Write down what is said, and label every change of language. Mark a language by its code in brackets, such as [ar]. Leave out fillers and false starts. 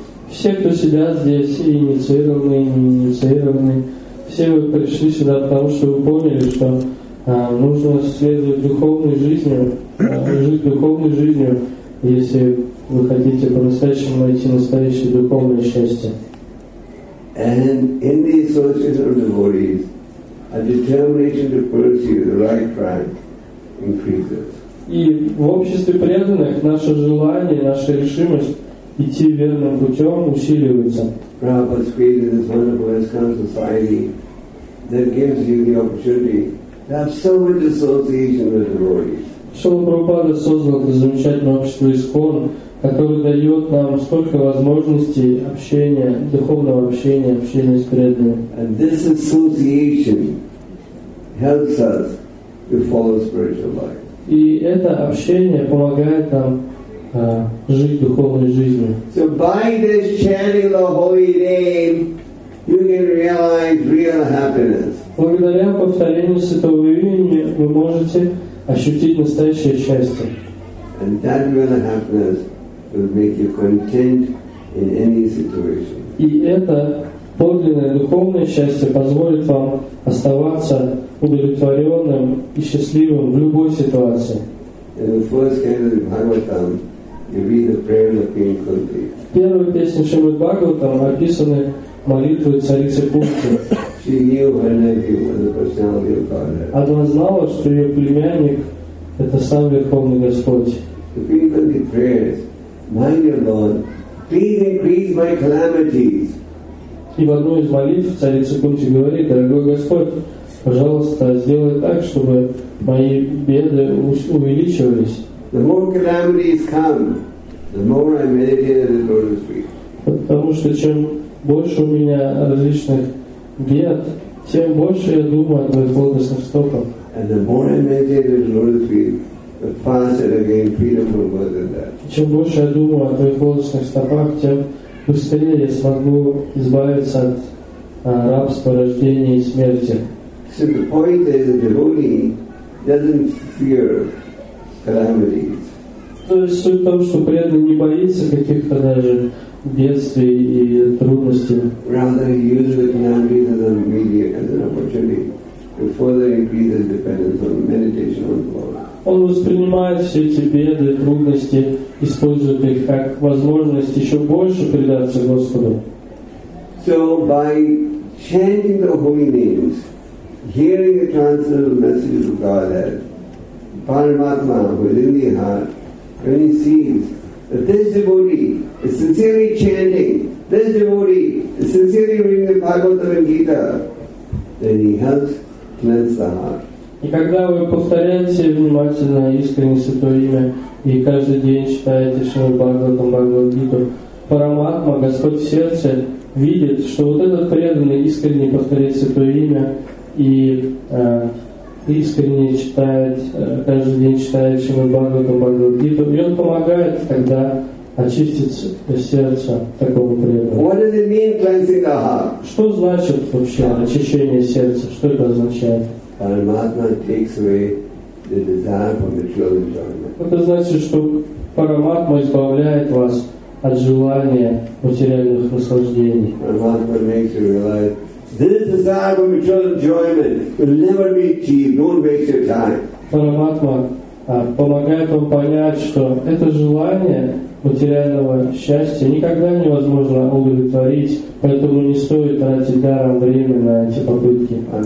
[ru] Все, кто сидят здесь, и инициированные, и не инициированные, все вы пришли сюда, потому что вы поняли, что нужно следовать духовной жизни, жить духовной жизнью, если вы хотите по-настоящему найти настоящее духовное счастье. [en] And in the association of devotees, a determination to pursue the right track increases. [ru] И в обществе преданных наше желание, наша решимость идти верным путем усиливается. [en] Prabhupada's created this wonderful ISKCON society that gives you the opportunity to have so much association with devotees. [ru] Шрила Прабхупада создал это замечательное общество ИСКОН, которое дает нам столько возможностей общения, духовного общения, общения с преданными. [en] And this association helps us to follow spiritual life. [ru] И это общение помогает нам жить духовной жизнью. [en] So by this chanting the holy name, you can realize real happiness. [ru] Благодаря повторению святого имени вы можете ощутить настоящее счастье. [en] And that real happiness will make you content in any situation. [ru] И это подлинное духовное счастье позволит вам оставаться удовлетворенным и счастливым в любой ситуации. [en] In the first canto of Bhagavatam, you read the prayers of King Kunti. [ru] В первой песне Шримад Бхагаватам описаны молитвы царицы Кунти. [en] She knew her nephew was the personality of Godhead. [ru] Она знала, что ее племянник это сам Верховный Господь. [en] The King Kunti prayers, my dear Lord, please increase my calamities. [ru] И в одной из молитв царица Кунти говорит, дорогой Господь, пожалуйста, сделай так, чтобы мои беды увеличивались. [en] The more calamities come, the more I meditate at His lotus feet. [ru] Потому что чем больше у меня различных бед, тем больше я думаю о твоих лотосных стопах. [en] And the more I meditate at His lotus feet, the faster I gain freedom from birth and death. [ru] Чем больше я думаю о твоих лотосных стопах, тем быстрее я смогу избавиться от рабства рождения и смерти. [en] So the point is the devotee doesn't fear calamities. [ru] То есть суть в том, что преданный не боится каких-то даже бедствий и трудностей. [en] Rather, he uses the calamities as a media, as an opportunity to further increase his dependence on meditation on the Lord. [ru] Он воспринимает все эти беды, трудности, использует их как возможность еще больше предаться Господу. [en] So by chanting the holy names, hearing the transcendental messages of Godhead, Paramatma who is in the heart, when he sees that this devotee is sincerely chanting, this devotee is sincerely reading the Bhagavatam and Gita, then he helps cleanse the heart. [ru] И когда вы повторяете внимательно искренне Святое Имя и каждый день читаете Шримад-Бхагаватам, Бхагавад-гиту, Параматма, Господь в сердце, видит, что вот этот преданный искренне повторяет Святое Имя и искренне читает, каждый день читает Шримад-Бхагаватам, Бхагавад-гиту, и он помогает тогда очистить сердце такого преданного. Что значит вообще очищение сердца? Что это означает? [en] Paramatma takes away the desire for material enjoyment. [ru] Это значит, что Параматма избавляет вас от желания материальных наслаждений. [en] Paramatma makes you realize this desire for material enjoyment will never be achieved. Don't waste your time. [ru] Параматма помогает вам понять, что это желание материального счастья никогда невозможно удовлетворить, поэтому не стоит тратить даром время на эти попытки.